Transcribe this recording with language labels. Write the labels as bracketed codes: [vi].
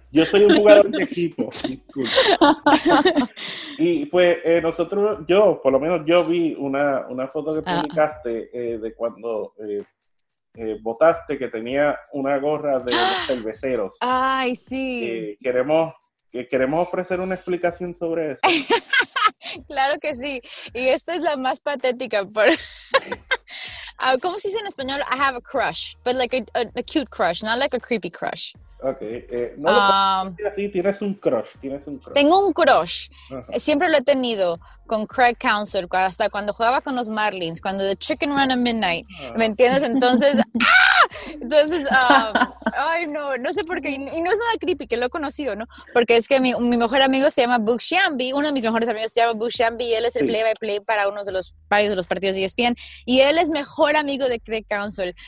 [es] Yo soy un jugador de equipo, disculpa. Y pues nosotros, yo, por lo menos yo vi una foto que publicaste de cuando votaste que tenía una gorra de los cerveceros. Ay, sí. Queremos ofrecer una explicación sobre eso. Claro que sí. Y esta es la más patética. ¿Cómo se dice en español? [en] I have a crush, but like a cute crush, not like a creepy crush. [es] Okay. No así, tienes un crush. Tengo un crush. Siempre lo he tenido con Craig Council, hasta cuando jugaba con los Marlins, cuando [en] The Chicken Run at Midnight. [es] ¿Me entiendes? Entonces, entonces, ay, no sé por qué, y no es nada creepy, que lo he conocido, ¿no? Porque es que mi mejor amigo se llama Book Shambi, uno de mis mejores amigos se llama Book Shambi, y él es el play-by-play para uno de los varios de los partidos de ESPN, y él es mejor amigo de Craig Council.